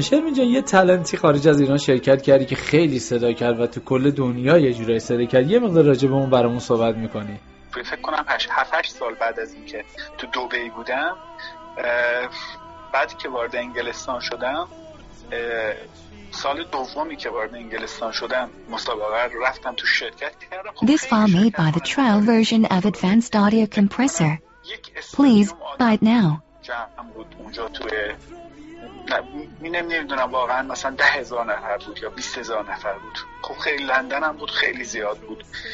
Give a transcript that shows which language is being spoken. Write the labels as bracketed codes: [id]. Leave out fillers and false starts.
[fa] شرمینجان یه تالنتی خارج از ایران شرکت کردی که خیلی صدا کرد و تو کل دنیا یه جورایی صدا کرد، یه مقدار راجع به اون برامون صحبت میکنی؟ فکر کنم 7-8 سال بعد از اینکه تو دبی بودم، بعد که وارد انگلستان شدم، سال دومی که وارد انگلستان شدم مسابقه رو رفتم تو شرکت کردم. [en] This file made by the trial version of Advanced Audio Compressor. Please buy it now. [fa] جمع بود اونجا توی نمیدونم واقعا مثلا 10,000 نفر بود یا 20,000 نفر بود. خب خیلی لندن هم بود، خیلی زیاد بود.